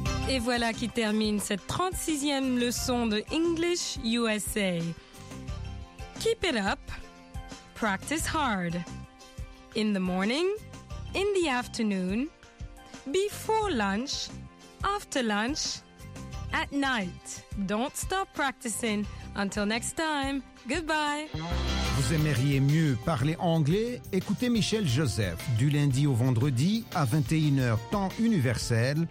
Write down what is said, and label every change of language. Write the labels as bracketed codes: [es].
[fr] Et voilà qui termine cette 36e leçon de English USA. [en] Keep it up. Practice hard. In the morning, in the afternoon, before lunch, after lunch, at night. Don't stop practicing. Until next time, goodbye. [fr] Vous aimeriez mieux parler anglais? Écoutez Michel Joseph du lundi au vendredi à 21h temps universel.